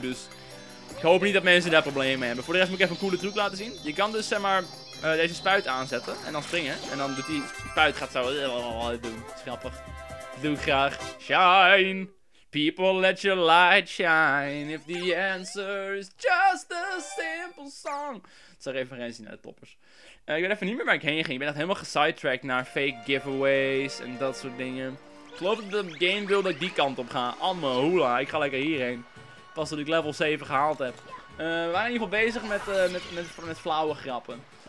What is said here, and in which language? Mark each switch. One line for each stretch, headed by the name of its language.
Dutch: Dus ik hoop niet dat mensen daar problemen mee hebben. Voor de rest moet ik even een coole truc laten zien. Je kan dus zeg maar deze spuit aanzetten. En dan springen. En dan doet die spuit gaat zo doen. Schappig. Doe ik graag. Shine.
English: People let your light shine. If the answer is just a simple song.
Dutch: Het is een referentie naar de toppers. Ik weet even niet meer waar ik heen ging. Ik ben echt helemaal gesidetracked naar fake giveaways en dat soort dingen. Ik geloof dat de game wil dat ik die kant op ga. Amme hoela, ik ga lekker hierheen. Pas dat ik level 7 gehaald heb. We waren in ieder geval bezig met flauwe grappen.